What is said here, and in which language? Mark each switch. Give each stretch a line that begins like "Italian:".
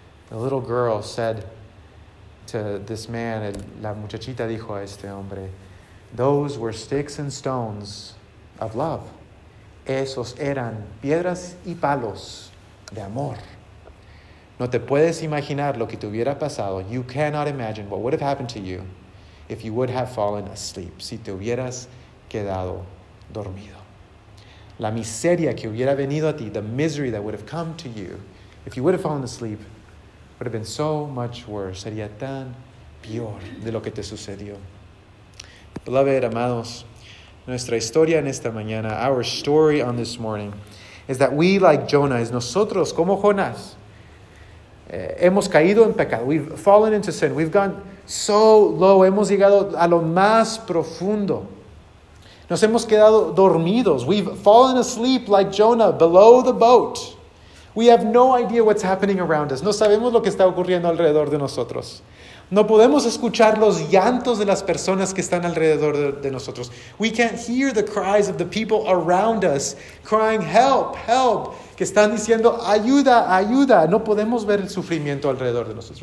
English: And the little girl said to this man,
Spanish: la muchachita dijo a este hombre,
English: those were sticks and stones of love.
Spanish: Esos eran piedras y palos de amor. No te puedes imaginar lo que te hubiera pasado.
English: You cannot imagine what would have happened to you if you would have fallen asleep.
Spanish: Si te hubieras quedado dormido. La miseria que hubiera venido a ti,
English: the misery that would have come to you, if you would have fallen asleep, would have been so much worse.
Spanish: Sería tan peor de lo que te sucedió. Beloved, amados, nuestra historia en esta mañana,
English: our story on this morning, is that we, like Jonah,
Spanish: es nosotros como Jonás, hemos caído en pecado.
English: We've fallen into sin. We've gone so low.
Spanish: Hemos llegado a lo más profundo. Nos hemos quedado dormidos.
English: We've fallen asleep like Jonah below the boat. We have no idea what's happening around us.
Spanish: No sabemos lo que está ocurriendo alrededor de nosotros. No podemos escuchar los llantos de las personas que están alrededor de nosotros.
English: We can't hear the cries of the people around us crying, help, help.
Spanish: Que están diciendo, ayuda, ayuda. No podemos ver el sufrimiento alrededor de nosotros.